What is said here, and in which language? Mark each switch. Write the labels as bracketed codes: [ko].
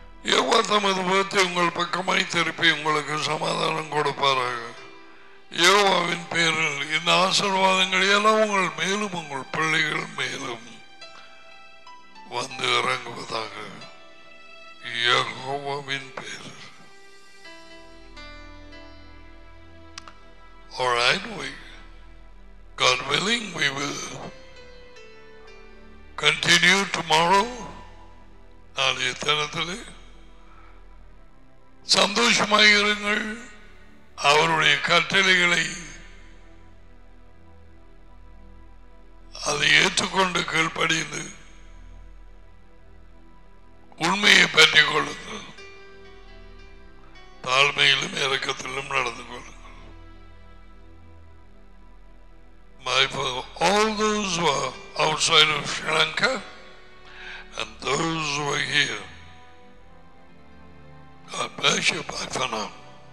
[ta] யோவா தமது முகத்தை உங்கள் பக்கமாய் திருப்பி உங்களுக்கு சமாதானம் கொடுப்பாராக. யோவாவின் பேரில் இந்த ஆசீர்வாதங்கள் எல்லாம் உங்கள் மேலும் உங்கள் பிள்ளைகள் மேலும் வந்து இறங்குவதாக. யோவாவின் பேரில் [en] All right, we, God willing, we will continue tomorrow. [ta] நாளைய தினத்திலே சந்தோஷமாக இருங்கள். அவருடைய கட்டளைகளை அதை ஏற்றுக்கொண்டு கீழ்ப்படிந்து உண்மையை பற்றிக் கொள்ளுங்கள். தாழ்மையிலும் இறக்கத்திலும் நடந்து கொள்ளுங்கள். [en] My father, all those who are outside of Sri Lanka and those who are here, God bless you. Bye for now.